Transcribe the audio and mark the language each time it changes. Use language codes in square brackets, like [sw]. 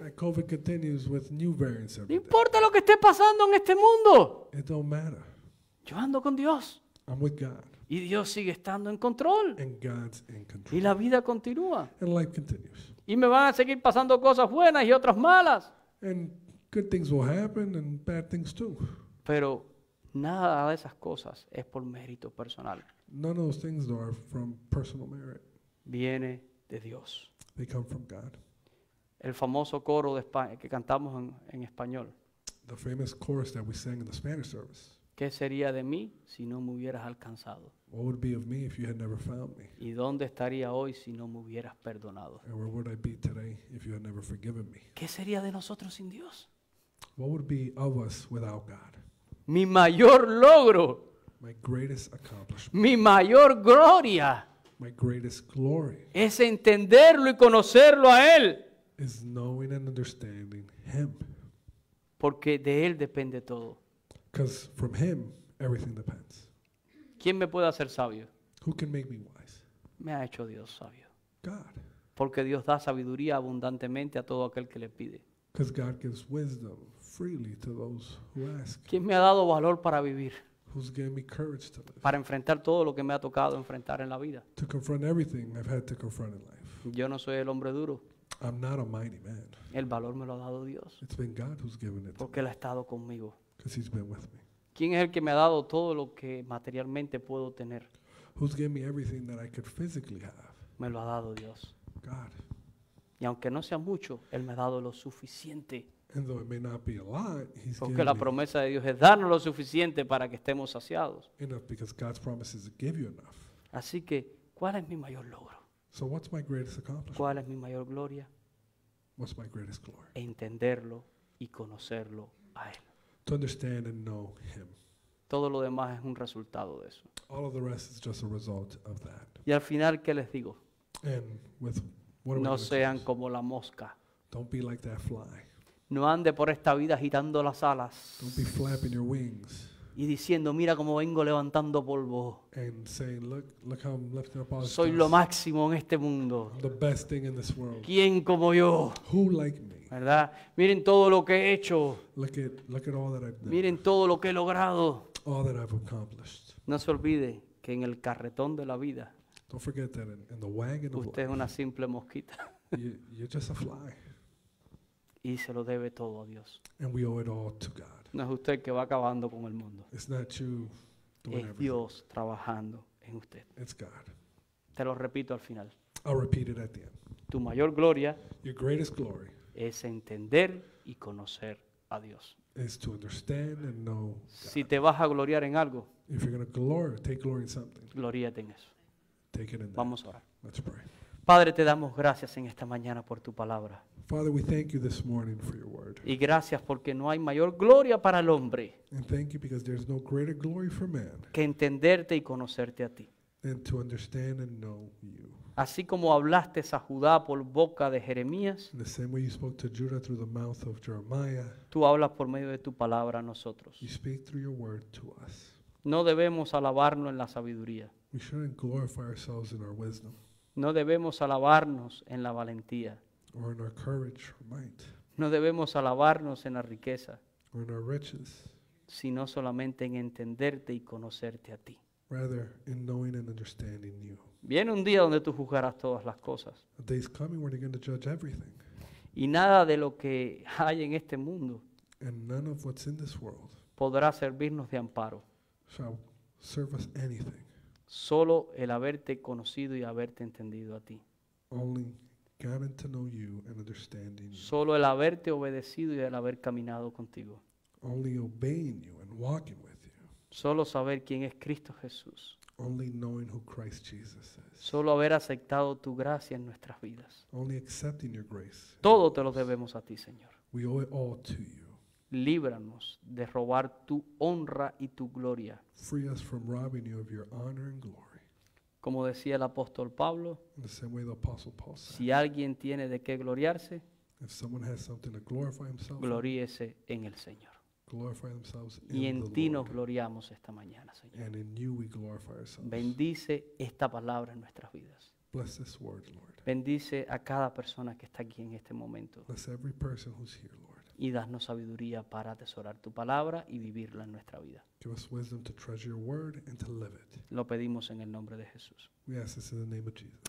[en] That COVID continues with new variants every [es] day. No importa lo que esté pasando en este mundo. [en] It don't matter. [es] Yo ando con Dios. [en] I'm with God. [es] Y Dios sigue estando en control. [en] And God's in control. [es] Y la vida continúa. [en] And life continues. [es] Y me van a seguir pasando cosas buenas y otras malas. [en] And good things will happen and bad things too. [es] Pero nada de esas cosas es por mérito personal. [en] None of those things are from personal merit. [es] Viene de Dios. [en] They come from God. [es] El famoso coro de España, que cantamos en español. [en] The famous chorus that we sang in the Spanish service. [es] ¿Qué sería de mí si no me hubieras alcanzado? [en] What would be of me if you had never found me? [es] ¿Y dónde estaría hoy si no me hubieras perdonado? [en] And where would I be today if you had never forgiven me? [es] ¿Qué sería de nosotros sin Dios? [en] What would be of us without God? [es] Mi mayor logro. [en] My greatest accomplishment. [es] Mi mayor gloria. [en] My greatest glory. [es] Es entenderlo y conocerlo a Él. [en] Is knowing and understanding Him. [es] Porque de Él depende todo. [en] Because from Him, everything depends. [es] ¿Quién me puede hacer sabio? [en] Who can make me wise? [es] Me ha hecho Dios sabio. [en] God. [es] Porque Dios da sabiduría abundantemente a todo aquel que le pide. [en] Because God gives wisdom freely to those who ask. [es] ¿Quién me ha dado valor para vivir? [en] Who's given me courage to live? [es] Para enfrentar todo lo que me ha tocado enfrentar en la vida. [en] To confront everything I've had to confront in life. [es] Yo no soy el hombre duro. [en] I'm not a mighty man. [es] El valor me lo ha dado Dios. [en] It's been God who's given it. [es] Porque Él ha estado conmigo. [en] Because He's been with me. [es] ¿Quién es el que me ha dado todo lo que materialmente puedo tener? [en] Who's given me everything that I could physically have? [es] Me lo ha dado Dios. [en] God. [es] Y aunque no sea mucho, Él me ha dado lo suficiente. [en] And though it may not be a lot, He's given me. [es] Porque la promesa de Dios es darnos lo suficiente para que estemos saciados. [en] Enough, because God's promise is to give you enough. [es] Así que, ¿cuál es mi mayor logro? [en] So what's my greatest accomplishment? [es] ¿Cuál es mi mayor gloria? [en] What's my greatest glory? [es] Entenderlo y conocerlo a Él. [en] To understand and know Him. [es] Todo lo demás es un resultado de eso. [en] All of the rest is just a result of that. [es] Y al final, ¿qué les digo? [en] And with what are [es] no [en] we going [es] sean [en] to [es] como la mosca. [en] Don't be like that fly. [es] No ande por esta vida agitando las alas. [en] Don't be flapping your wings. [es] Y diciendo, mira cómo vengo levantando polvo. [en] And saying, look how I'm lifting up all. [es] Soy lo máximo en este mundo. [en] I'm the best thing in this world. [es] ¿Quién como yo? [en] Who like me? [es] ¿Verdad? Miren todo lo que he hecho. [en] Look at all that I've done. [es] Miren todo lo que he logrado. [en] All that I've accomplished. [es] No se olvide que en el carretón de la vida. [en] Don't forget that in the wagon of [es] life. Usted es una simple mosquita. [en] You're just a fly. [es] Y se lo debe todo a Dios. [en] And we owe it all to God. [es] No es usted que va acabando con el mundo. [en] It's not you doing everything. [es] Es Dios trabajando en usted. [en] It's God. [es] Te lo repito al final. [en] I'll repeat it at the end. [es] Tu mayor gloria. [en] Your greatest glory. [es] Es entender y conocer a Dios. [en] Is to understand and know God. [es] Si te vas a gloriar en algo, [en] if you're going to glory, take glory in something. [es] Gloríate en eso. [en] Take it in that. [es] Vamos a orar. [en] Let's pray. [es] Padre, te damos gracias en esta mañana por tu palabra. [en] Father, we thank you this morning for your word. [es] Y gracias porque no hay mayor gloria para el hombre. [en] And thank you because there's no greater glory for man. [es] Que entenderte y conocerte a ti. [en] Than to understand and know you. [es] Así como hablaste a Judá por boca de Jeremías, [en] the same way you spoke to Judah through the mouth of Jeremiah, [es] tú hablas por medio de tu palabra a nosotros. [en] You speak through your word to us. [es] No debemos alabarnos en la sabiduría. [en] We shouldn't glorify ourselves in our wisdom. [es] No debemos alabarnos en la valentía. [en] Or in our courage or might. [es] No debemos alabarnos en la riqueza. [en] Or in our riches. [es] Sino solamente en entenderte y conocerte a ti. [en] Rather in knowing and understanding you. [es] Viene un día donde tú juzgarás todas las cosas. [en] A day is coming where you're going to judge everything. [es] Y nada de lo que hay en este mundo. [en] And none of what's in this world. [es] Podrá servirnos de amparo. [en] Shall serve us anything. [es] Solo el haberte conocido y haberte entendido a ti. [en] Only getting to know you and understanding you. [es] Solo el haberte obedecido y el haber caminado contigo. [en] Only obeying you and walking with you. [es] Solo saber quién es Cristo Jesús. [en] Only knowing who Christ Jesus is. [es] Solo haber aceptado tu gracia en nuestras vidas. [en] Only accepting your grace. [es] Todo te lo debemos a ti, Señor. [en] We owe it all to you. [es] Líbranos de robar tu honra y tu gloria. [en] Free us from robbing you of your honor and glory. [es] Como decía el apóstol Pablo, [en] in the same way the apostle Paul said, [es] si alguien tiene de qué gloriarse, [en] if someone has something to glorify himself, [es] gloríese en el Señor. [en] Glorify themselves [es] y en ti nos gloriamos esta mañana, Señor. [en] And in you we glorify ourselves. [es] Bendice esta palabra en nuestras vidas. [en] Bless this word, Lord. [es] Bendice a cada persona que está aquí en este momento. [en] Bless every person who's here, Lord. [es] Y danos sabiduría para atesorar tu palabra y vivirla en nuestra vida. [en] Give us wisdom to treasure your word and to live it. [es] Lo pedimos en el nombre de Jesús. [en] We ask this in the name of Jesus.